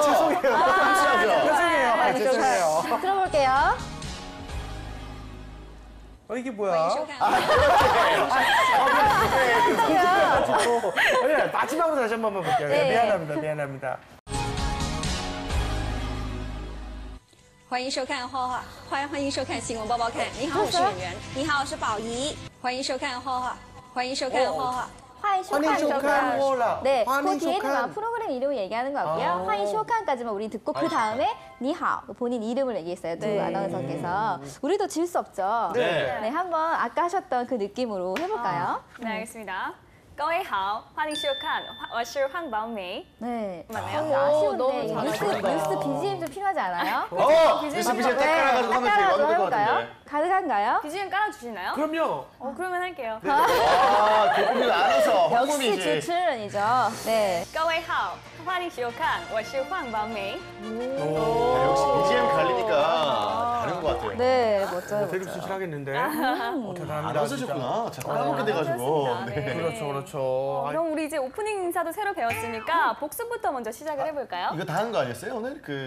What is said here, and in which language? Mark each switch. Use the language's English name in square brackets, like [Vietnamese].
[Korean] 죄송해요. 죄송해요. 죄송해요. 죄송해요. 들어볼게요. 아, 이게 뭐야? 깜짝이야. 마지막으로 다시 한 번만 볼게요. 네. 미안합니다. 미안합니다. [Chinese] 欢迎收看花花，欢迎收看新闻播报看。你好，我是演员。你好，我是宝仪。欢迎收看花花，欢迎收看花花。欢迎收看，欢迎收看。 [Korean] 네, 그 뒤에는 막 프로그램 이름을 얘기하는 거 같고요. [Chinese] 欢迎收看 [Korean] 까지만 우리 듣고 그 다음에 니하오 본인 이름을 얘기했어요. 두 아나운서께서. 우리도 질 수 없죠. 네. 네, 한번 아까 하셨던 그 느낌으로 해볼까요? 네, 알겠습니다. [Chinese] 各位好，欢迎收看，我是黄宝美。 [Korean] 네. 맞네요. 너무 잘하셨다. 뉴스 BGM 좀 필요하지 않아요? 뉴스 BGM 딱 깔아가지고 하면 되게 완벽할 것 같은데. 가능한가요? BGM 깔아주시나요? 그럼요. 그러면 할게요. 아, 대표님 알아서 황금이지. 역시 주출연이죠. 네. [Chinese] 各位好，欢迎收看，我是黄宝美。 [Korean] 역시 BGM 갈리니까 다른 것 같아요. 네, 멋져요. 대륙 주출하겠는데? 대단합니다. 알아서셨구나. 잠깐 까먹게 돼가지고. 그렇죠, 그렇죠. 그럼 우리 이제 오프닝 인사도 새로 배웠으니까 복습부터 먼저 시작을 해볼까요? 이거 다 하는 거 아니었어요, 오늘?